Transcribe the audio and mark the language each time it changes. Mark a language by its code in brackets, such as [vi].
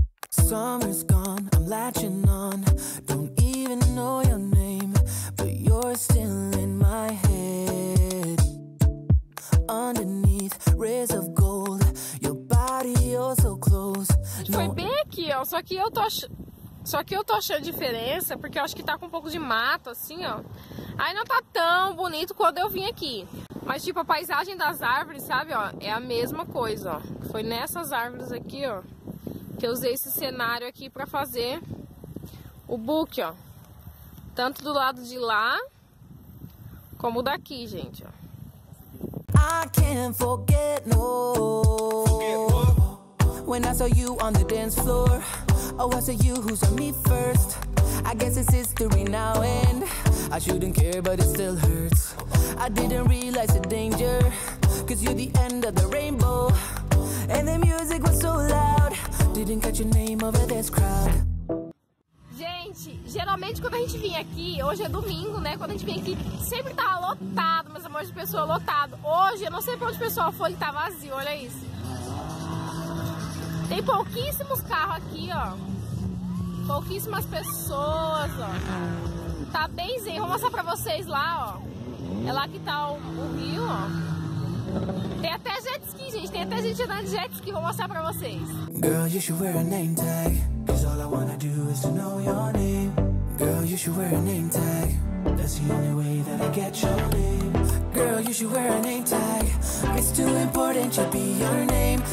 [en] Summer's gone, I'm latching on. Don't even know your name, but you're still in my head. Underneath rays of gold, your body you're so close. [pt] Foi bem aqui, ó. Só que eu tô achando diferença, porque eu acho que tá com um pouco de mato, assim, ó. Aí não tá tão bonito quando eu vim aqui. Mas, tipo, a paisagem das árvores, sabe, ó, é a mesma coisa, ó. Foi nessas árvores aqui, ó, que eu usei esse cenário aqui pra fazer o book, ó. Tanto do lado de lá, como daqui, gente, ó. [en] I can't forget, no. When I saw you on the dance floor, oh, I saw you who saw me first. I guess it's history now, and I shouldn't care, but it still hurts. I didn't realize the danger, 'cause you're the end of the rainbow. And the music was so loud, didn't catch your name over this crowd. [pt] Gente, geralmente quando a gente vem aqui, hoje é domingo, né? Quando a gente vem aqui, sempre tava lotado, meus amores, de pessoa, lotado. Hoje, eu não sei pra onde o pessoal foi, tá vazio, olha isso. Tem pouquíssimos carros aqui, ó. Pouquíssimas pessoas, ó. Tá bem zen. Vou mostrar pra vocês lá, ó. É lá que tá o rio, ó. Tem até jet ski, gente. Tem até gente andando de jet ski. Vou mostrar pra vocês. [en] Girl, you should wear a name tag. 'Cause all I wanna do is to know your name. Girl, you should wear a name tag. That's the only way that I get your name. Girl, you should wear a name tag. It's too important to be your name.